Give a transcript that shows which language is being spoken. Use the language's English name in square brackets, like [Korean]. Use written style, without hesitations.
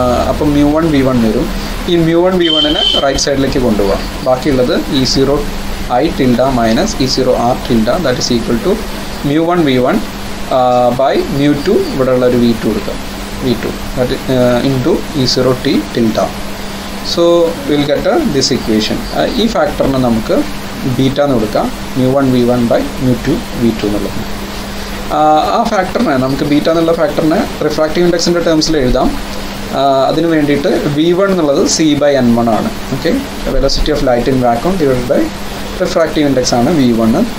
[Malayalam] അപ്പം mu one V one വരും. ഈ മ്യൂ വൺ വി വണ്ണിനെ റൈറ്റ് സൈഡിലേക്ക് കൊണ്ടുപോകാം. ബാക്കിയുള്ളത് E zero I tilde minus E zero R tilde [English] that is equal to [Malayalam] mu one V one by mu two, ഇവിടെ ഉള്ളൊരു V two എടുക്കാം, V two that in to E zero T tilde. [English] So, we'll get this equation. [Malayalam] ഈ ഫാക്ടറിന് നമുക്ക് beta എന്ന് കൊടുക്കാം, mu one V one by mu two V two എന്നുള്ളത്. ആ ഫാക്ടറിനെ നമുക്ക് ബീറ്റ എന്നുള്ള ഫാക്ടറിനെ റിഫ്രാക്റ്റീവ് ഇൻഡെക്സിൻ്റെ ടേംസിൽ എഴുതാം. അതിന് വേണ്ടിയിട്ട് വി വൺ എന്നുള്ളത് സി ബൈ എൻ വൺ ആണ്. Okay, [English] velocity of light in vacuum divide by refractive index [Malayalam] ആണ് വി വൺ.